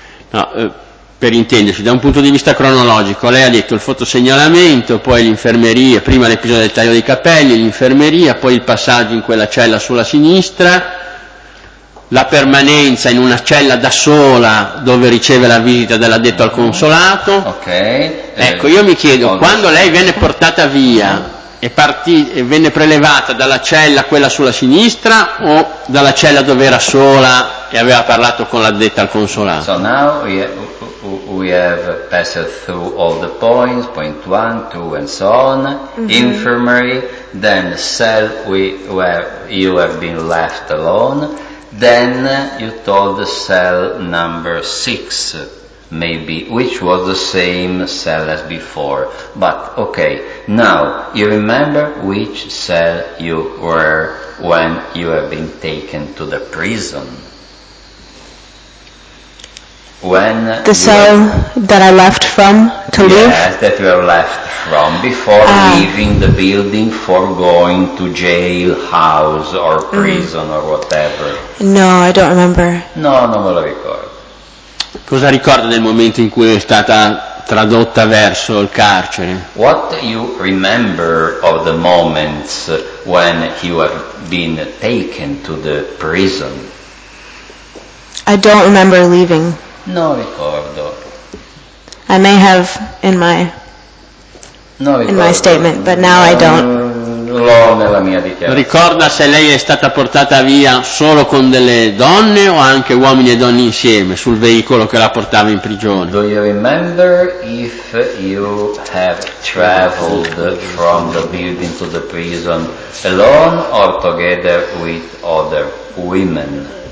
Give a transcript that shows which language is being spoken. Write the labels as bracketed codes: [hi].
[it] No, per intenderci, da un punto di vista cronologico, lei ha detto il fotosegnalamento, poi l'infermeria, prima l'episodio del taglio dei capelli, l'infermeria, poi il passaggio in quella cella sulla sinistra, la permanenza in una cella da sola dove riceve la visita dell'addetto al consolato. Ok. Ecco, io mi chiedo, quando lei venne portata via e venne prelevata dalla cella quella sulla sinistra o dalla cella dove era sola e aveva parlato con l'addetta al consolato? [en] So now we have passed through all the points, point one, two and so on, mm-hmm. Infirmary, then cell where you have been left alone. Then you told the cell number 6, maybe, which was the same cell as before. But, okay, now, you remember which cell you were when you have been taken to the prison? When the cell that I left from to yes, live? Yes, that you have left from before leaving the building for going to jail, house or prison or whatever. No, I don't remember. [it] No, non me lo ricordo. Cosa ricorda del momento in cui è stata tradotta verso il carcere? [en] What you remember of the moments when you have been taken to the prison? I don't remember leaving. [it] No ricordo. [en] I may have in my statement, but now I don't. [it] L'ho nella mia dichiarazione. Ricorda se lei è stata portata via solo con delle donne o anche uomini e donne insieme sul veicolo che la portava in prigione? [en] Do you remember if you have traveled from the building to the prison alone or together with other women?